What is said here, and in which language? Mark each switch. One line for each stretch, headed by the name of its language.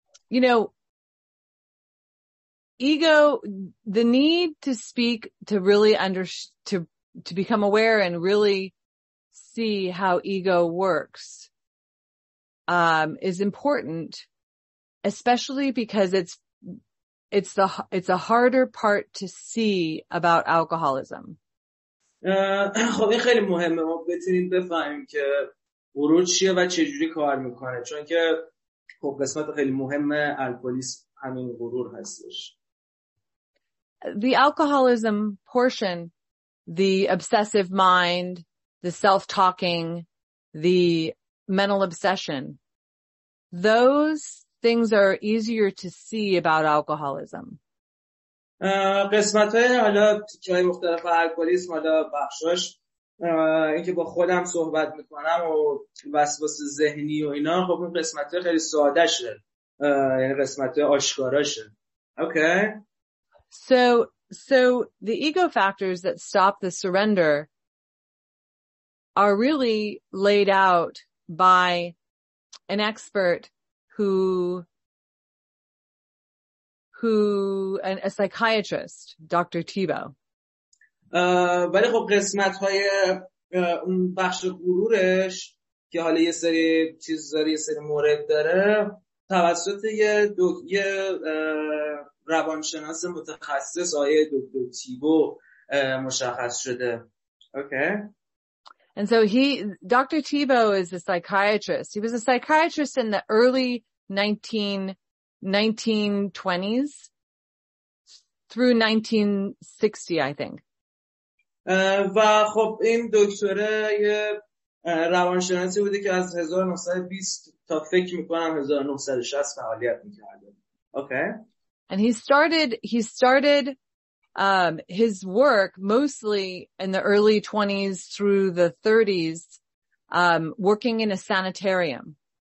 English: you know, ego, the need to speak, to really to become aware and really see how ego works, is important, especially because it's a harder part to see about alcoholism.
Persian: خب این خیلی مهمه ما بتونیم بفهمیم که ورود چیه و چه جوری کار میکنه، چون که خب قسمت خیلی مهمه الکلیسم همین غرور هستش.
English: The alcoholism portion, the obsessive mind, the self-talking, the mental obsession, those things are easier to see about alcoholism.
Persian: قسمت‌های حالا تیکه‌های مختلف الکلیسم، حالا بخشش اینکه با خودم صحبت می‌کنم و وسواس ذهنی و اینا، خب این قسمت‌ها خیلی ساده‌شه، یعنی قسمت‌های آشکاراشه.
English: Okay. So the ego factors that stop the surrender are really laid out by an expert a psychiatrist, Dr. Thibault.
Persian: ولی خب قسمت های اون بخش غرورش که حالا یه سری چیز داره، یه سری مورد داره، توسط یه روانشناس متخصص آقای دکتر تیبو مشخص شده.
English: Okay. And so Dr. Thibault is a psychiatrist. He was a psychiatrist in the early 1920s through 1960, I think.
Persian: و خب این دکتره یه روانشناسی بوده که از 1920 تا فکر میکنم 1960 فعالیت میکرده.
English: Okay. And he started his work mostly in the early 20s through the 30s, working in a sanitarium.